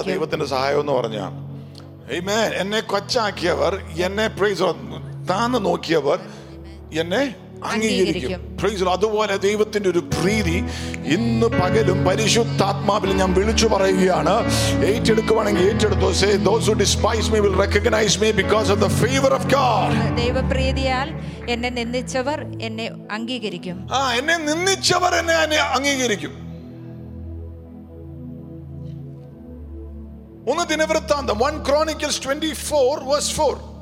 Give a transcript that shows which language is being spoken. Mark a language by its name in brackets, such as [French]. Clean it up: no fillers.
[Malayalam] ആ ദൈവത്തിന്റെ സഹായം എന്ന് പറഞ്ഞാ, ആമേൻ. എന്നെ കൊച്ചാക്കിയവർ എന്നെ, പ്രൈസ് താന്ന് നോക്കിയവർ എന്നെ അംഗീകരിക്കും. പ്രൈസ്. അതുപോലെ ദൈവത്തിന്റെ ഒരു പ്രീതി ഇന്ന് പകലും പരിശുദ്ധാത്മാവിൽ ഞാൻ വിളിച്ചു പറയുകയാണ്, ഏറ്റെടുക്കുവാണെങ്കിൽ ഏറ്റെടുത്തു. [English] Say, those who despise me will recognize me because of the favor of God. [Malayalam] ദൈവപ്രീതിയാൽ എന്നെ നിന്ദിച്ചവർ എന്നെ അംഗീകരിക്കും. ആ എന്നെ നിന്ദിച്ചവർ എന്നെ അംഗീകരിക്കും. ഒന്ന് ദിനവൃത്താന്തം, 1 Chronicles 24:4, 24:4.